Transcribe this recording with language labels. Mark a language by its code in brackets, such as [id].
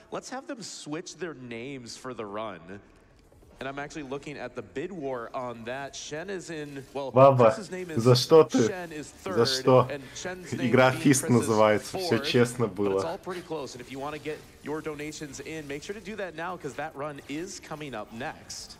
[en] Let's have them switch their names for the run. And I'm actually looking at the bid war on that. Shen is in, well, Баба, his name is, [ru] за что ты? [en] Shen is third, [ru] за что? Игра Fist называется, все честно было. [en] It's all pretty close. And if you want to get your donations in, make sure to do that now, because that run is coming up next.